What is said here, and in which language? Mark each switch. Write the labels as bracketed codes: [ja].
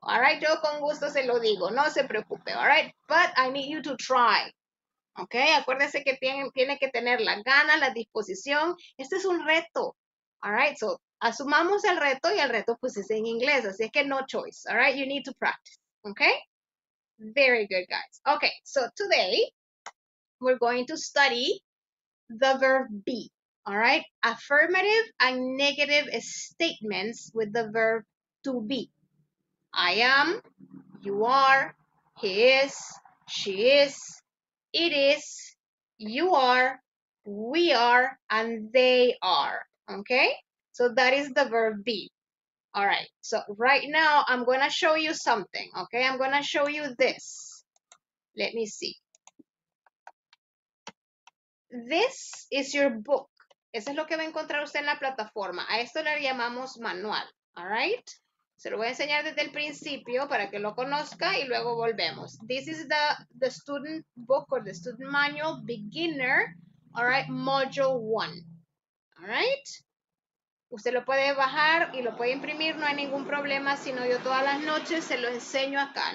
[en] All right? [es] Yo con gusto se lo digo. No se preocupe. [en] All right? But I need you to try. Okay? [es] Acuérdese que tiene que tener la gana, la disposición. Este es un reto. All right? So, asumamos el reto y el reto, pues, es en inglés. Así es que [en] no choice. All right? You need to practice. Okay? Very good, guys. Okay. So, today, we're going to study the verb be. All right, affirmative and negative statements with the verb to be. I am, you are, he is, she is, it is, you are, we are, and they are. Okay, so that is the verb be. All right, so right now I'm gonna show you something. Okay, I'm gonna show you this. Let me see. This is your book. [es] Eso es lo que va a encontrar usted en la plataforma. A esto le llamamos manual. All right? Se lo voy a enseñar desde el principio para que lo conozca y luego volvemos. [en] This is the student book or the student manual beginner. All right? Module 1. All right? [es] Usted lo puede bajar y lo puede imprimir. No hay ningún problema. Sino yo todas las noches se lo enseño acá.